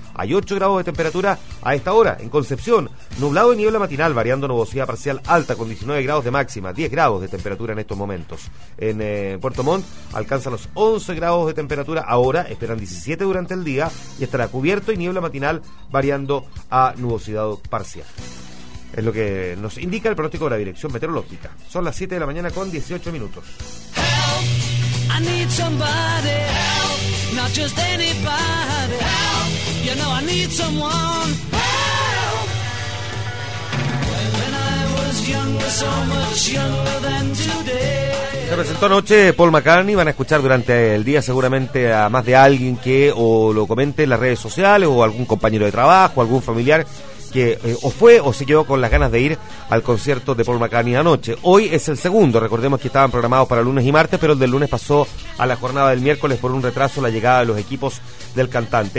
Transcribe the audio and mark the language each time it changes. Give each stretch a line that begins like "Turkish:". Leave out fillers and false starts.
Spanish: Hay 8 grados de temperatura a esta hora. En Concepción, nublado y niebla matinal, variando nubosidad parcial alta, con 19 grados de máxima, 10 grados de temperatura en estos momentos. En Puerto Montt alcanza los 11 grados de temperatura ahora, esperan 17 durante el día, y estará cubierto y niebla matinal, variando a nubosidad parcial. Es lo que nos indica el pronóstico de la Dirección Meteorológica. Son las 7:18 a.m.
English: I need somebody, help, not just anybody, help, you know I need someone, help. When I was younger, so much younger than today.
Spanish: Se presentó anoche Paul McCartney. Van a escuchar durante el día seguramente a más de alguien que o lo comente en las redes sociales, o algún compañero de trabajo, algún familiar que o fue o se quedó con las ganas de ir al concierto de Paul McCartney anoche. Hoy es el segundo, recordemos que estaban programados para lunes y martes, pero el del lunes pasó a la jornada del miércoles por un retraso la llegada de los equipos del cantante.